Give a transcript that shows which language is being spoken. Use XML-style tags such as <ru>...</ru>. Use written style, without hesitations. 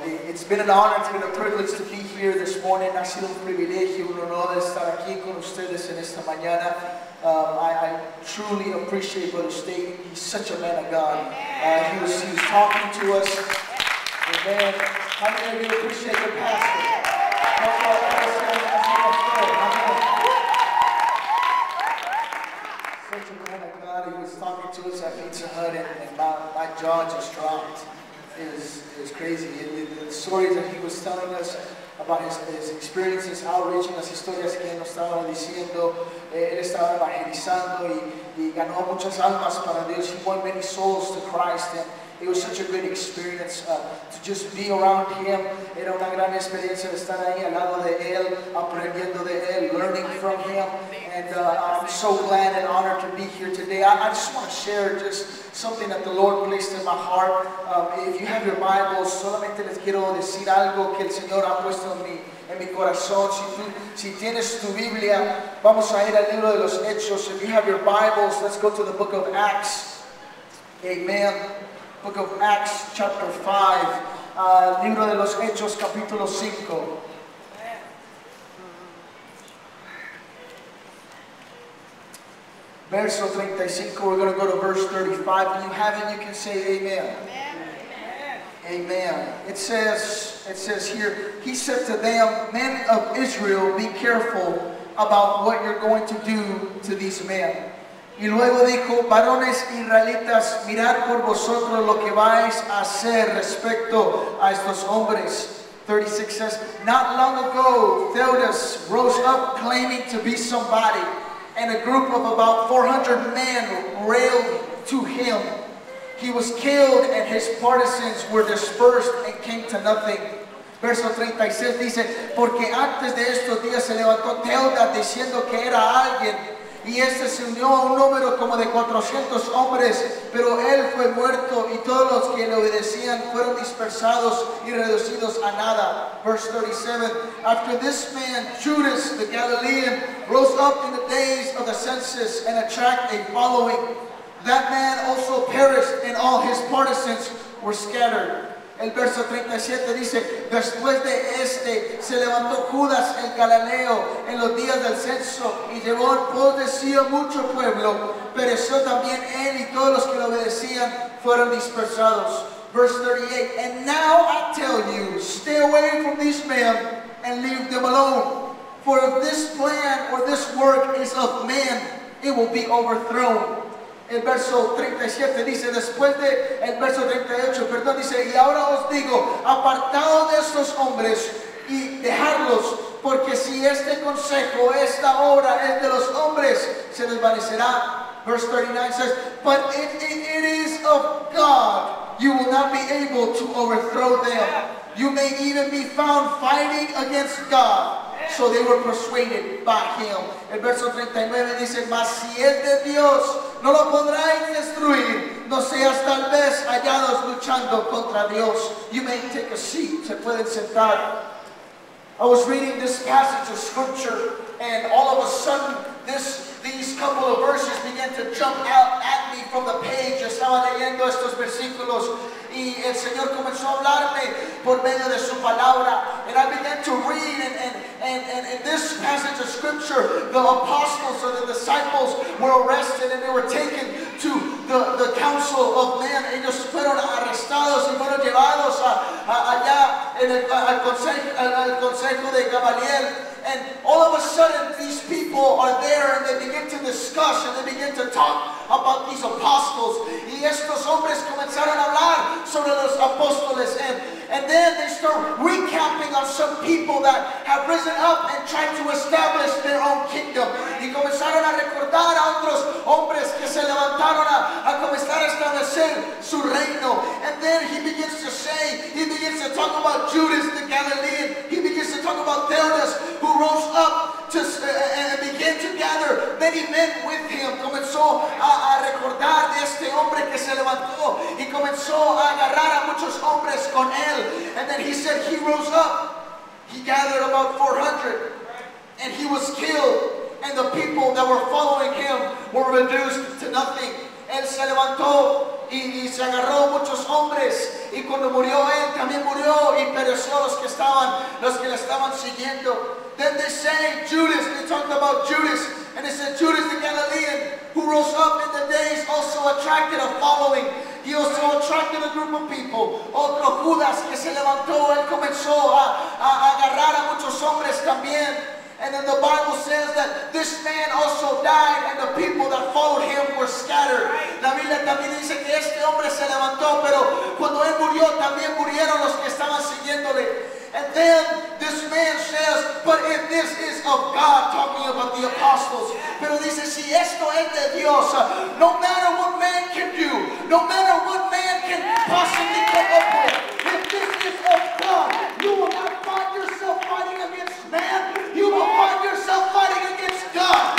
<en>It's been an honor, it's been a privilege to be here this morning.</en> <es>Ha sido un privilegio, un honor de estar aquí con ustedes en esta mañana.</es> <en>I truly appreciate Brother Staten. He's such a man of God. He was talking to us. Amen. How many of you appreciate your pastor? Such a man of God. He was talking to us at Pizza Hut, and my jaw just dropped. It was crazy. The stories that he was telling us about his experiences, outreach,</en> <es>las historias que nos estaba diciendo. Él estaba evangelizando y ganó muchas almas para Dios.</es> <en>He won many souls to Christ, and it was such a great experience to just be around him.</en> <es>Era una gran experiencia estar ahí al lado de él, aprendiendo de él,</es> <en>learning from him. And I'm so glad and honored to be here today. I just want to share just something that the Lord placed in my heart. If you have your Bible,</en> <es>solamente les quiero decir algo que el Señor ha puesto en mi corazón. Si tienes tu Biblia, vamos a ir al libro de los Hechos.</es> <en>If you have your Bibles, let's go to the book of Acts. Amen. Book of Acts, chapter 5.</en> <es>Libro de los Hechos, capítulo 5. Verso 35,</es> <en>we're going to go to verse 35. When you have it, you can say amen. Amen. Amen. Amen. It says here, he said to them, men of Israel, be careful about what you're going to do to these men.</en> <es>Y luego dijo, varones israelitas, mirad por vosotros lo que vais a hacer respecto a estos hombres.</es> <en>36 says, not long ago, Theudas rose up claiming to be somebody. And a group of about 400 men railed to him. He was killed, and his partisans were dispersed and came to nothing.</en> <es>Verso 36 dice, porque antes de estos días se levantó Teuda diciendo que era alguien, y este se unió a un número como de 400 hombres, pero él fue muerto y todos los que le obedecían fueron dispersados y reducidos a nada.</es> <en>Verse 37, after this man, Judas the Galilean, rose up in the days of the census and attracted a following. That man also perished and all his partisans were scattered.</en> <es>El verso 37 dice, después de este se levantó Judas el Galileo en los días del censo y llevó en pos de sí a mucho pueblo, pereció también él y todos los que lo obedecían fueron dispersados.</es> <en>Verse 38, and now I tell you, stay away from this man and leave them alone. For if this plan or this work is of man, it will be overthrown.</en> <es>El verso 37 dice, después de el verso 38, perdón, dice, y ahora os digo, apartaos de estos hombres y dejadlos, porque si este consejo, esta obra es de los hombres, se desvanecerá.</es> <en>Verse 39 says, but if it is of God, you will not be able to overthrow them. You may even be found fighting against God. So they were persuaded by him.</en> <es>El verso 39 dice, mas si es de Dios, no lo podráis destruir, no seas tal vez hallados luchando contra Dios.</es> <en>You may take a seat,</en> <es>se pueden sentar.</es> <en>I was reading this passage of scripture, and all of a sudden, these couple of verses began to jump out at me from the page.</en> <es>Estaba leyendo estos versículos, y el Señor comenzó a hablarme por medio de su palabra.</es> <en>And I began to read, and in this passage of scripture, the apostles or the disciples were arrested, and they were taken to the council of men.</en> <es>Ellos fueron arrestados y fueron llevados allá en el consejo de Gamaliel.</es> <en>And all of a sudden, these people are there, and they begin to discuss, and they begin to talk about these apostles.</en> <es>Y estos hombres comenzaron a hablar sobre los apóstoles.</es> <en>And then they start recapping on some people that have risen up and tried to establish their own kingdom.</en> <es>Y comenzaron a recordar a otros hombres que se levantaron a comenzar a establecer su reino.</es> <en>And then he begins to talk about Judas the Galilean. He begins to talk about Theudas, who rose up and began to gather many men with him.</en> <es>Comenzó a recordar de este hombre que se levantó y comenzó a agarrar a muchos hombres con él.</es> <en>And then he said he rose up. He gathered about 400. And he was killed. And the people that were following him were reduced to nothing.</en> <es>Él se levantó y se agarró muchos hombres. Y cuando murió él, también murió y pereció los que le estaban siguiendo.</es> <en>Then they say Judas, they talked about Judas, and they said Judas the Galilean, who rose up in the days, also attracted a following. He also attracted a group of people.</en> <es>Otro Judas que se levantó, él comenzó a agarrar a muchos hombres también.</es> <en>And then the Bible says that this man also died, and the people that followed him were scattered.</en> <es>La Biblia también dice que este hombre se levantó, pero cuando él murió, también murieron los que estaban siguiéndole.</es> <en>And then this man says, but if this is of God, talking about the apostles,</en> <es>pero dice, si esto es de Dios,</es> <en>no matter what man can do, no matter what man can possibly come up with, if this is of God, you will not find yourself fighting against man, you will find yourself fighting against God.</en>